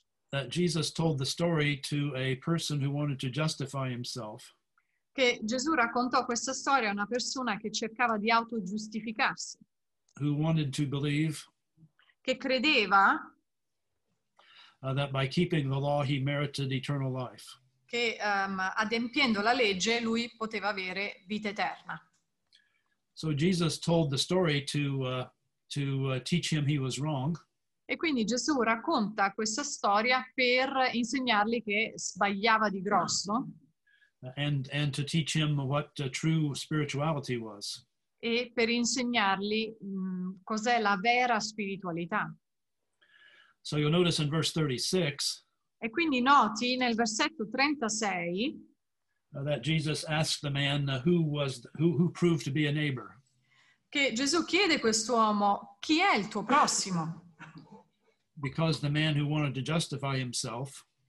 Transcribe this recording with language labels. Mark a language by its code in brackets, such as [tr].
[en] That Jesus told the story to a person who wanted to justify himself. [it] Che Gesù raccontò questa storia a una persona che cercava di autogiustificarsi. [en] Who wanted to believe. [it] Che credeva. [en] That by keeping the law he merited eternal life. [it] Che adempiendo la legge lui poteva avere vita eterna. [en] So Jesus told the story to teach him he was wrong. [it] E quindi Gesù racconta questa storia per insegnargli che sbagliava di grosso. [en] And to teach him what true spirituality was. [it] E per insegnargli cos'è la vera spiritualità. [en] So you'll notice in verse 36. [it] E quindi noti nel versetto 36. [en] That Jesus asked the man who proved to be a neighbor. [it] Che Gesù chiede quest'uomo chi è il tuo prossimo. [en] Because the man who wanted to justify himself.